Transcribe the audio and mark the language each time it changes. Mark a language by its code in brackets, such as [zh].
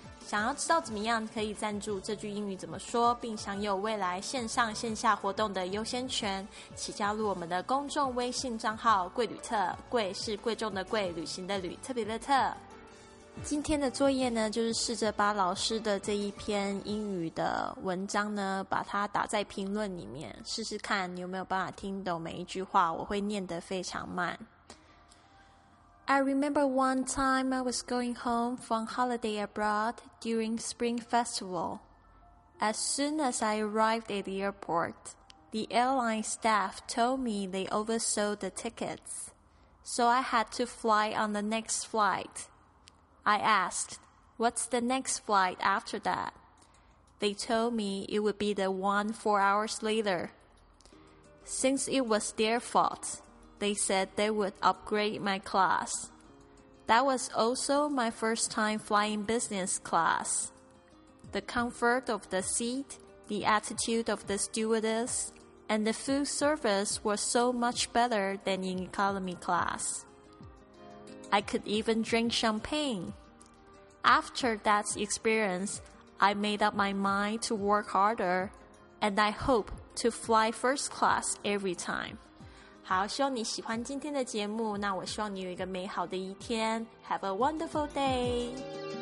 [zh] 想要知道怎么样可以赞助这句英语怎么说，并享有未来线上线下活动的优先权，请加入我们的公众微信账号贵旅特，贵是贵重的贵，旅行的旅，特别的特。今天的作业呢，就是试着把老师的这一篇英语的文章呢，把它打在评论里面，试试看你有没有办法听懂每一句话，我会念得非常慢。 [en] I remember one time I was going home from holiday abroad during Spring Festival. As soon as I arrived at the airport, the airline staff told me they oversold the tickets, so I had to fly on the next flight. I asked, what's the next flight after that? They told me it would be the one 4 hours later. Since it was their fault,They said they would upgrade my class. That was also my first time flying business class. The comfort of the seat, the attitude of the stewardess, and the food service were so much better than in economy class. I could even drink champagne. After that experience, I made up my mind to work harder, and I hope to fly first class every time. [zh] 好，希望你喜欢今天的节目，那我希望你有一个美好的一天。 [en] Have a wonderful day.